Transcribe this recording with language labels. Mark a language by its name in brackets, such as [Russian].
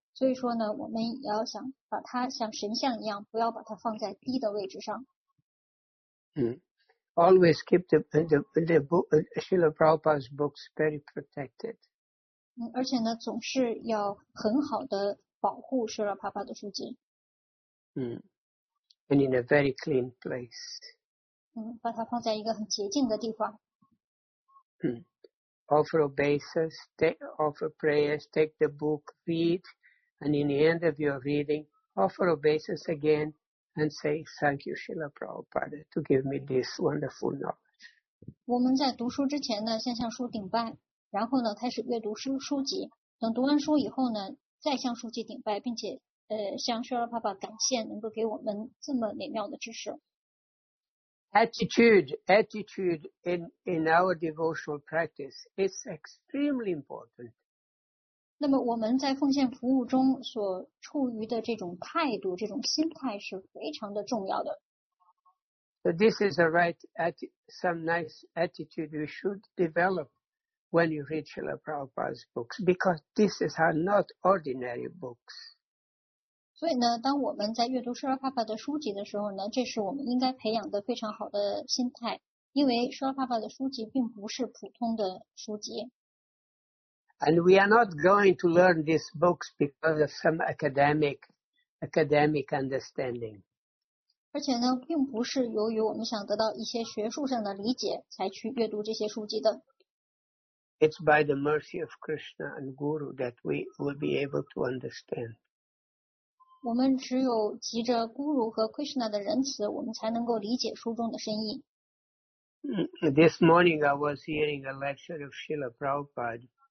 [Chinese] 所以说呢，我们也要想把它像神像一样，不要把它放在低的位置上。 [English] Always keep the book, Srila Prabhupada's books very protected. [Chinese] 而且呢，总是要很好的保护 Srila Prabhupada 的书籍。 [English] And in a very clean place. [Chinese] 把它放在一个很洁净的地方。 [English] Offer obeisance, offer prayers, take the book, read, and in the end of your reading, offer obeisance again and say, thank you, Srila Prabhupada, to give me this wonderful knowledge. [Chinese] 我们在读书之前呢，先向书顶拜，然后呢，开始阅读书籍。等读完书以后呢，再向书籍顶拜，并且向 Srila Prabhupada 感谢能够给我们这么美妙的知识。 [English] Attitude in our devotional practice is extremely important. [Chinese] 那么我们在奉献服务中所处于的这种态度，这种心态是非常的重要的。 [English] So this is a right some nice attitude you should develop when you read Srila Prabhupada's books, because these are not ordinary books. [Chinese] 所以呢，当我们在阅读 Srila Prabhupada 的书籍的时候呢，这是我们应该培养的非常好的心态，因为 Srila Prabhupada 的书籍并不是普通的书籍。 [English] And we are not going to learn these books because of some academic understanding. [Chinese] 而且呢，并不是由于我们想得到一些学术上的理解才去阅读这些书籍的。 [English] It's by the mercy of Krishna and Guru that we will be able to understand. [Chinese] 我们只有藉着 Guru 和 Krishna 的仁慈，我们才能够理解书中的深意。 [English] This morning I was hearing a lecture of Srila Prabhupada.